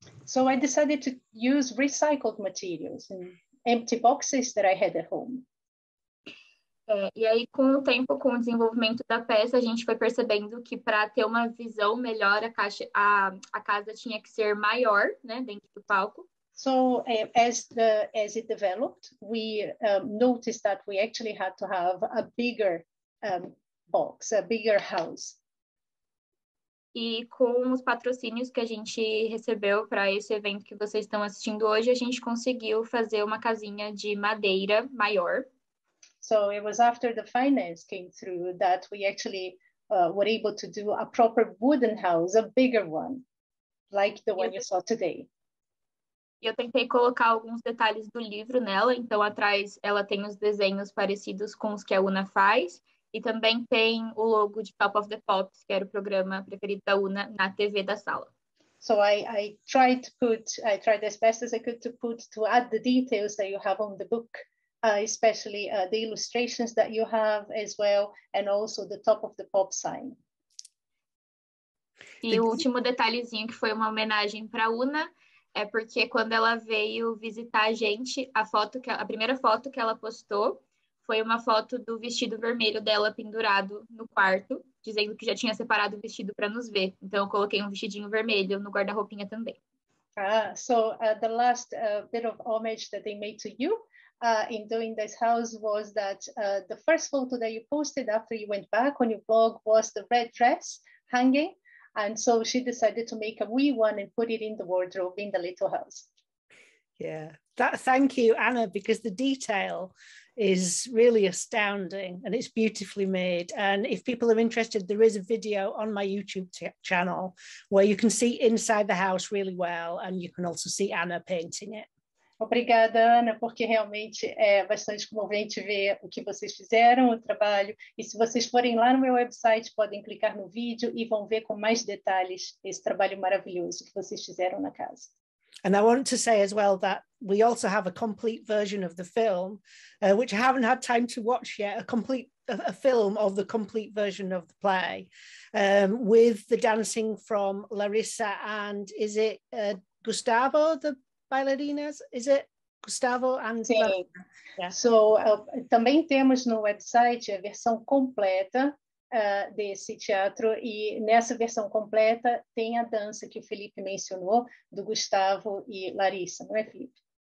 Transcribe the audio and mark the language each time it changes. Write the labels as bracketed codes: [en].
[en] So I decided to use recycled materials and empty boxes that I had at home. [pt] E aí, com o tempo, com o desenvolvimento da peça, a gente foi percebendo que para ter uma visão melhor, a casa tinha que ser maior, né, dentro do palco. [en] So, as it developed, we noticed that we actually had to have a bigger box, a bigger house. [pt] E com os patrocínios que a gente recebeu para esse evento que vocês estão assistindo hoje, a gente conseguiu fazer uma casinha de madeira maior. [en] So it was after the finance came through that we actually were able to do a proper wooden house, a bigger one, like the one you saw today. [pt] Eu tentei colocar alguns detalhes do livro nela, então atrás ela tem os desenhos parecidos com os que a Una faz, e também tem o logo de Top of the Pops, que era o programa preferido da Una, na TV da sala. [en] So I tried as best as I could to add the details that you have on the book. Especially the illustrations that you have as well, and also the Top of the Pop sign. [pt] E o último detalhezinho que foi uma homenagem para Una é porque quando ela veio visitar a gente, a primeira foto que ela postou foi uma foto do vestido vermelho dela pendurado no quarto, dizendo que já tinha separado o vestido para nos ver. Então eu coloquei um vestidinho vermelho no guarda-roupinha também. [en] The last bit of homage that they made to you in doing this house was that the first photo that you posted after you went back on your blog was the red dress hanging. And so she decided to make a wee one and put it in the wardrobe in the little house. Yeah, thank you, Anna, because the detail is really astounding and it's beautifully made. And if people are interested, there is a video on my YouTube channel where you can see inside the house really well. And you can also see Anna painting it. [pt] Obrigada, Ana, porque realmente é bastante comovente ver o que vocês fizeram, o trabalho. E se vocês forem lá no meu website, podem clicar no vídeo e vão ver com mais detalhes esse trabalho maravilhoso que vocês fizeram na casa. [en] And I want to say as well that we also have a complete version of the film, which I haven't had time to watch yet, a film of the complete version of the play, with the dancing from Larissa and, is it Gustavo, the bailarinas? Is it Gustavo and... Sim. Yeah. [pt] So, também temos no website a versão completa desse teatro, e nessa versão completa tem a dança que o Felipe mencionou, do Gustavo e Larissa, não é, Felipe?